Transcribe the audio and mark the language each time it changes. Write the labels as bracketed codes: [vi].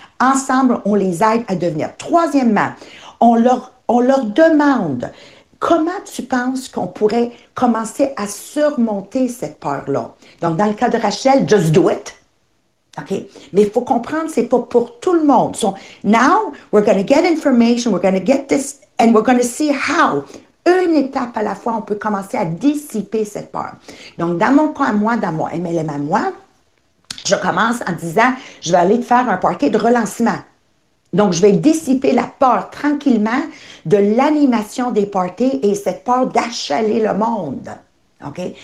[fr] Ensemble, on les aide à devenir. Troisièmement, on leur demande comment tu penses qu'on pourrait commencer à surmonter cette peur-là. Donc, dans le cas de Rachel, [en] just do it. [fr] OK? Mais il faut comprendre, c'est pas pour tout le monde. [en] So, now, we're going to get information, we're going to get this, and we're going to see how. [fr] Une étape à la fois, on peut commencer à dissiper cette peur. Donc, dans mon cas à moi, dans mon MLM à moi, je commence en disant, je vais aller te faire un parquet de relancement. Donc, je vais dissiper la peur tranquillement de l'animation des parquets et cette peur d'achaler le monde. OK?